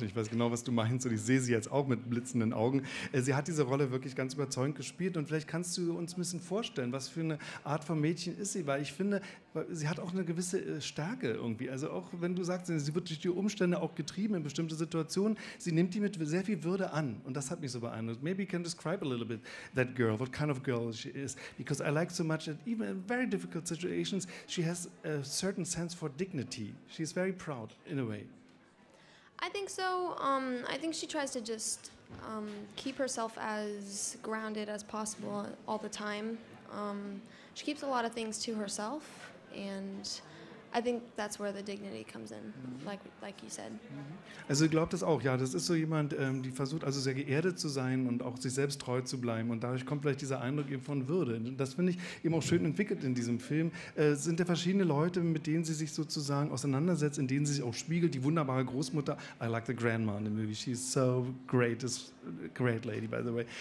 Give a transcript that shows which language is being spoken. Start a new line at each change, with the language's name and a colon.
German: Ich weiß genau, was du meinst und ich sehe sie jetzt auch mit blitzenden Augen. Sie hat diese Rolle wirklich ganz überzeugend gespielt und vielleicht kannst du uns ein bisschen vorstellen, was für eine Art von Mädchen ist sie, weil ich finde, sie hat auch eine gewisse Stärke irgendwie. Also auch wenn du sagst, sie wird durch die Umstände auch getrieben in bestimmte Situationen, sie nimmt die mit sehr viel Würde an und das hat mich so beeindruckt.
English: Maybe you can describe a little bit that girl, what kind of girl she is, because I like so much that even in very difficult situations, she has a certain sense for dignity. She's very proud in a way. I think so. I think she tries to just keep herself as grounded as possible all the time. She keeps a lot of things to herself, and I think that's where the dignity comes in, like you said.
German: Also ich glaube das auch, ja, das ist so jemand, die versucht also sehr geerdet zu sein und auch sich selbst treu zu bleiben und dadurch kommt vielleicht dieser Eindruck eben von Würde. Das finde ich eben auch schön entwickelt in diesem Film. Sind ja verschiedene Leute, mit denen sie sich sozusagen auseinandersetzt, in denen sie sich auch spiegelt, die wunderbare Großmutter,
English: I like the grandma in the movie, she's so great, it's a great lady by the way.